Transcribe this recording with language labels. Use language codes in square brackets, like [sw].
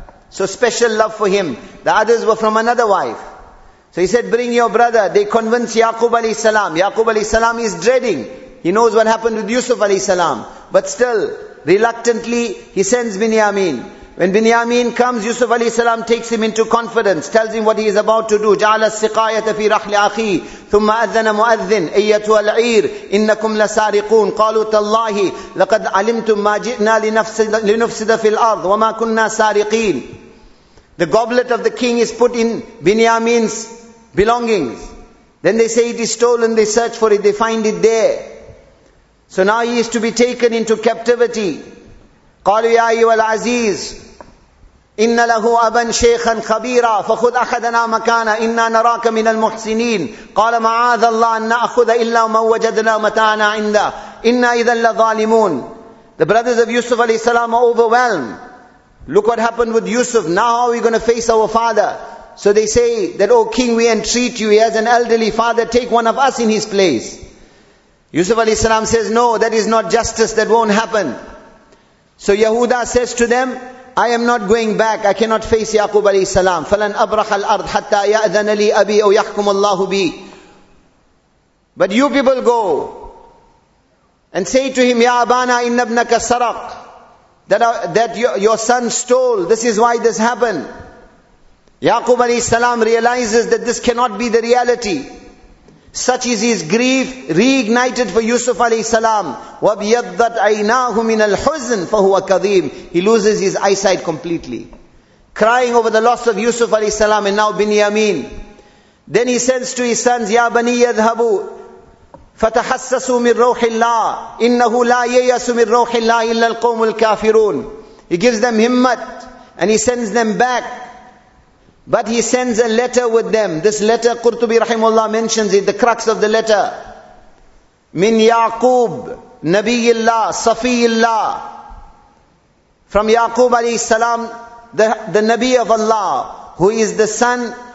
[en] So special love for him. The others were from another wife. So he said, bring your brother. They convince Yaqub alayhi salam. Yaqub alayhi salam is dreading. He knows what happened with Yusuf alayhi salam. But still, reluctantly, he sends Binyamin. When Binyamin comes, Yusuf alayhi salam takes him into confidence, tells him what he is about to do. [ar] جَعَلَ السِّقَايَةَ فِي رَحْلِ أَخِيهِ ثُمَّ أَذَّنَ مُؤَذِّنَ أَيَّتُهَا الْعِيرُ إِنَّكُمْ لَسَارِقُونَ قَالُوا تَاللَّهِ لَقَدْ عَلِمْتُمْ مَا جِئْنَا لِنُفْسِدَ فِي الْأَرْضِ وَمَا كُنَّا سَارِقِينَ [en] The goblet of the king is put in Binyamin's belongings. Then they say it is stolen, they search for it, they find it there. So now he is to be taken into captivity. [ar] قَالُوا يَا أَيُّهَا الْعَزِيزِ إِنَّ لَهُ أَبًا شَيْخًا خَبِيرًا فَخُذْ أَحَدَنَا مَكَانًا إِنَّا نَرَاكَ مِنَ الْمُحْسِنِينَ قَالَ مَعَاذَ اللَّهِ أَنْ نَأْخُذَ إِلَّا مَنْ وَجَدْنَا مَتَاعَنَا عِنْدَهُ إِنَّا إِذًا لَظَالِمُونَ [en] The brothers of Yusuf alayhi salam are overwhelmed. Look what happened with Yusuf. Now how are we going to face our father? So they say that, oh king, we entreat you. He has an elderly father. Take one of us in his place. Yusuf alayhi salam says, no, that is not justice. That won't happen. So Yehuda says to them, I am not going back, I cannot face Yaqub alayhi salam. [ar] فَلَنْ أَبْرَحَ الْأَرْضِ حَتَّى يَأْذَنَ لِي أَبِي أَوْ يَحْكُمَ اللَّهُ بِي [en] But you people go and say to him, [ar] يَا أَبَانَا إِنَّ ابْنَكَ سَرَقْ [en] That your son stole, this is why this happened. Yaqub alayhi salam realizes that this cannot be the reality. Such is his grief, reignited for Yusuf alayhi salam. [ar] وَبْيَضَّتْ عَيْنَاهُ مِنَ الْحُزْنِ فَهُوَ كَذِيمٌ [en] He loses his eyesight completely. Crying over the loss of Yusuf alayhi salam and now Binyamin. Then he sends to his sons, [ar] يَا بَنِي يَذْهَبُوا فَتَحَسَّسُوا مِنْ رَوْحِ اللَّهِ إِنَّهُ لَا يَيَّسُ مِنْ رَوْحِ اللَّهِ إِلَّا الْقَوْمُ الْكَافِرُونَ [en] He gives them himmat and he sends them back. But he sends a letter with them. This letter, Qurtubi rahimullah mentions it, the crux of the letter. [ar] Min Yaqub, Nabiyullah, Safiyullah. [en] From Yaqub alayhi salam, the Nabi of Allah, who is the son.